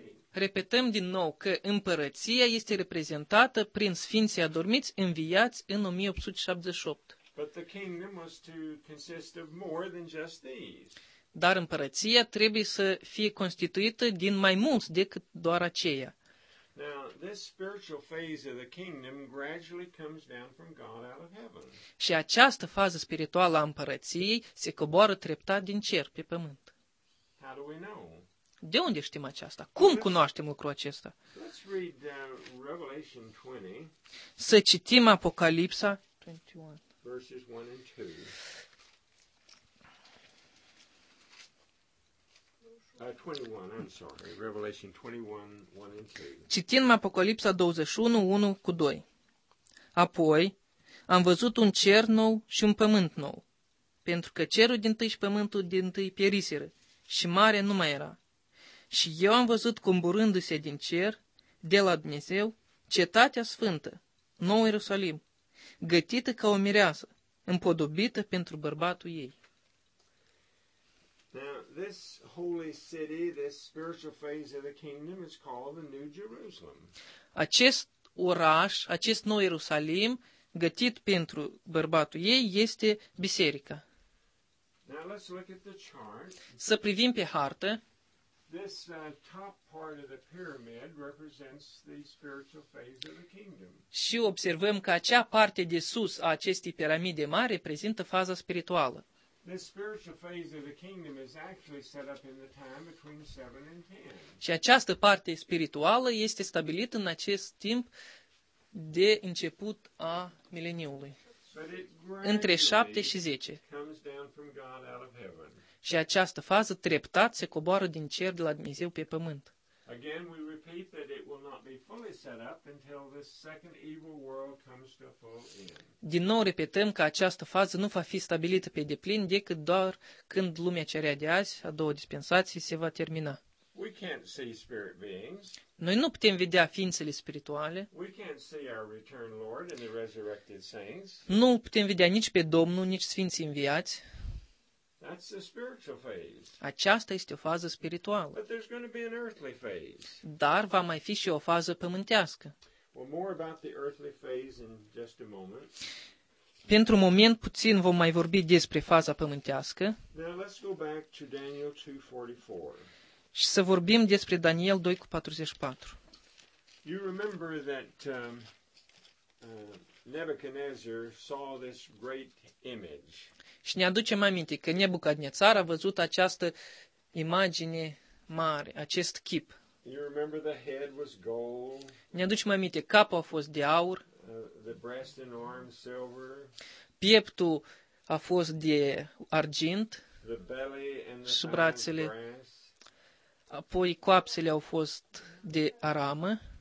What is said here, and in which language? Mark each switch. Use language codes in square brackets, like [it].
[ro] Repetăm din nou că împărăția este reprezentată prin sfinții adormiți înviați în 1878. [en] But the kingdom was to consist of more than just these. [ro] Dar împărăția trebuie să fie constituită din mai mulți decât doar aceia. [en] Now, this spiritual phase of the kingdom gradually comes down from God out of heaven. [ro] Și această fază spirituală a împărăției se coboară treptat din cer pe pământ. [en] How do we know? [ro] De unde știm aceasta? Cum cunoaștem lucrul acesta? [en] Let's read Revelation 20. [ro] Să citim Apocalipsa 21. [en] Verses 1 and 2. 21, I'm sorry. Revelation 21:1-2. [ro] Citind Apocalipsa 21:1-2. Apoi am văzut un cer nou și un pământ nou, pentru că cerul dintâi și pământul dintâi perisiră și mare nu mai era. Și eu am văzut comburându-se din cer, de la Dumnezeu, cetatea sfântă, Noul Ierusalim, gătită ca o mireasă, împodobită pentru bărbatul ei. [en] Now, this holy city, this spiritual phase of the kingdom is called the New Jerusalem. [ro] Acest oraș, acest Nou Ierusalim, gătit pentru bărbatul ei, este biserica. [en] Now, let's look at the chart. [ro] Să privim pe hartă. [en] This top part of the pyramid represents the spiritual phase of the kingdom. [ro] Și observăm că acea parte de sus a acestei piramide mari reprezintă faza spirituală. [en] The spiritual phase of the kingdom is actually set up in the time between 7 and 10. [ro] Și această parte spirituală este stabilită în acest timp de început a mileniului. Între 7 și 10. [en] Comes down from God out of heaven. [ro] Și această fază treptat se coboară din cer de la Dumnezeu pe pământ. [en] Again, we repeat that it will not be fully set up until this second evil world comes to a full end. [ro] Din nou repetăm că această fază nu va fi stabilită pe deplin decât doar când lumea cea rea de azi, a doua dispensație, se va termina. [en] We can't see spirit beings. [ro] Noi nu putem vedea ființele spirituale. [en] We can't see our return Lord and the resurrected saints. [ro] Nu putem vedea nici pe Domnul, nici sfinții înviați. [en] That's the spiritual phase. [ro] Aceasta este o fază spirituală. [en] But there's going to be an earthly phase. [ro] Dar va mai fi și o fază pământească. [en] Well, more about the earthly phase in just a moment. [ro] Pentru moment puțin vom mai vorbi despre faza pământească. [en] Now let's go back to Daniel 2:44. [ro] Și să vorbim despre Daniel 2:44. [en] You remember that Nebuchadnezzar saw this great image. [ro] Și ne aducem aminte că Nebucadnețar a văzut această imagine mare, acest chip. [en] You remember the head was gold. [ro] Ne aducem aminte, capul a fost de aur. [en] The breast and arm silver. [ro] Pieptul a fost de argint. [en] The belly and the [ro] și brațele. Apoi coapsele au fost de aramă.